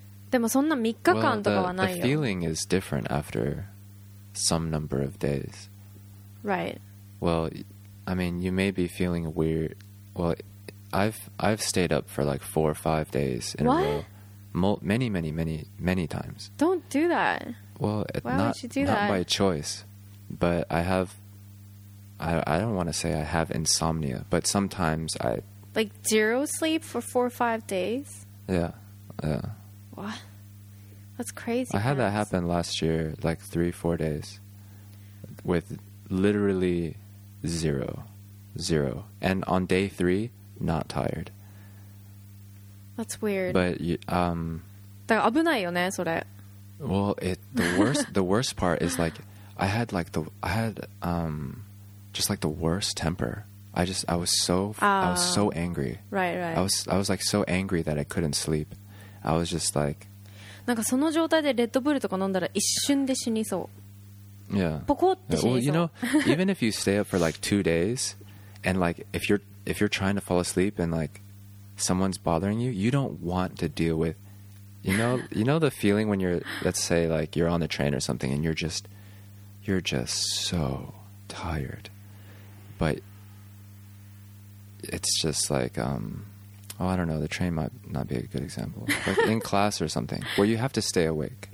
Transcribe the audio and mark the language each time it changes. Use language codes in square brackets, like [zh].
[ja] でもそんな3日間とかはないよ。 [en] The feeling is different after some number of days. Right. Well, I mean, you may be feeling weird. Well, I've stayed up for like 4 or 5 days in what? A row. Many, many, many, many times. Don't do that. Well, Why would you do that? By choice. But I don't want to say I have insomnia, but sometimes I... Like zero sleep for 4 or 5 days? Yeah, yeah. What? That's crazy. I had that happen last year, like 3 or 4 days, with literally zero. And on day three, not tired. That's weird. But, [ja] だから危ないよね、それ。 [en] Well, the worst part is like, I had just like the worst temper. I was so angry. Right. I was like so angry that I couldn't sleep. I was just like, [ja] なんかその状態でレッドブルとか飲んだら一瞬で死にそう。 [en] Yeah. [ja] ポコって死にそう。 [en] Well, you know, even if you stay up for like 2 days and like if you're trying to fall asleep and like someone's bothering you, you don't want to deal with, you know the feeling when you're, let's say like you're on the train or something and you're just so tired, but it's just like, I don't know, the train might not be a good example, like in class or something where you have to stay awake.